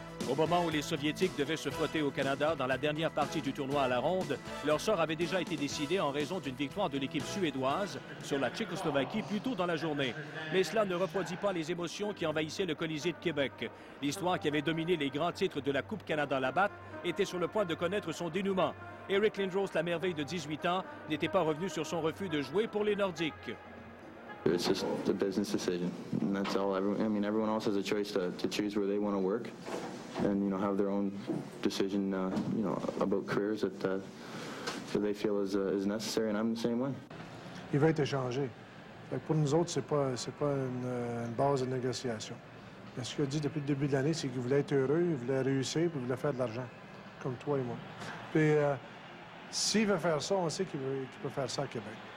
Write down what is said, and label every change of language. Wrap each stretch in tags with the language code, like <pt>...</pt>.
<fr>Au moment où les Soviétiques devaient se frotter au Canada dans la dernière partie du tournoi à la ronde, leur sort avait déjà été décidé en raison d'une victoire de l'équipe suédoise sur la Tchécoslovaquie plus tôt dans la journée. Mais cela ne refroidit pas les émotions qui envahissaient le Colisée de Québec. L'histoire qui avait dominé les grands titres de la Coupe Canada-Labatt était sur le point de connaître son dénouement. Eric Lindros, la merveille de 18 ans, n'était pas revenu sur son refus de jouer pour les Nordiques.</fr> <en>It's just a business decision. And that's all. I mean, everyone else has a choice to choose where they want to work. And you know, have their own decision, you know, about careers that they feel is necessary. And I'm the same way.</en> <fr>Il va être échangé. Fait que pour nous autres, c'est pas une base de négociation. Mais ce qu'il a dit depuis le début de l'année, c'est qu'il voulait être heureux, il voulait réussir, puis il voulait faire de l'argent, comme toi et moi. Puis s'il veut faire ça, on sait qu'il peut faire ça à Québec.</fr>